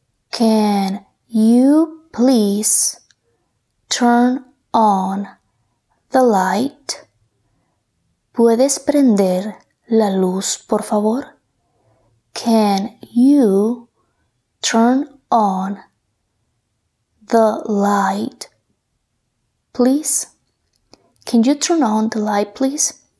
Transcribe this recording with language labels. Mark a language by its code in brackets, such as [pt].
[en] Can you please turn on the light? [es] ¿Puedes prender la luz, por favor? [en] Can you turn on the light, please? Can you turn on the light, please?